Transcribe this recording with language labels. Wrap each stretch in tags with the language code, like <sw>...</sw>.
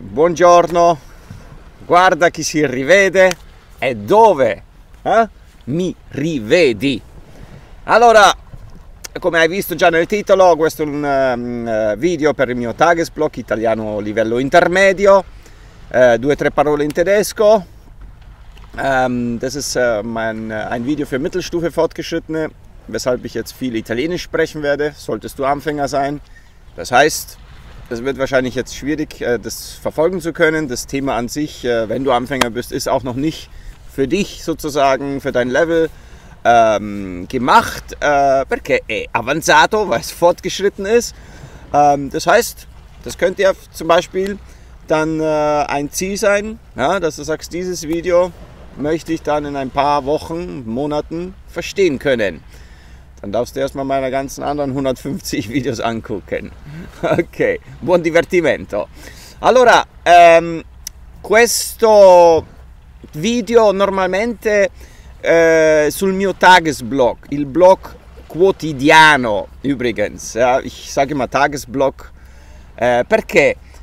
<it>Buongiorno, guarda chi si rivede e dove? Mi rivedi. Allora, come hai visto già nel titolo, questo è un video per il mio Tagesblock italiano livello intermedio, due o tre parole in tedesco.</it> <de>Das ist ein Video für Mittelstufe Fortgeschrittene, weshalb ich jetzt viel Italienisch sprechen werde. Solltest du Anfänger sein. Das heißt, es wird wahrscheinlich jetzt schwierig, das verfolgen zu können. Das Thema an sich, wenn du Anfänger bist, ist auch noch nicht für dich sozusagen, für dein Level gemacht,</de> <it>perché è avanzato,</it> <de>weil es fortgeschritten ist. Das heißt, das könnt ihr zum Beispiel dann ein Ziel sein, ja, dass du sagst, dieses Video möchte ich dann in ein paar Wochen, Monaten verstehen können. Dann darfst du erstmal meine ganzen anderen 150 Videos angucken.</de> <it>Okay, buon divertimento. Allora, questo video normalmente sul mio Tagesblock, il blog quotidiano</it> <de>übrigens, ja, ich sage mal Tagesblock,</de> <it>perché?</it>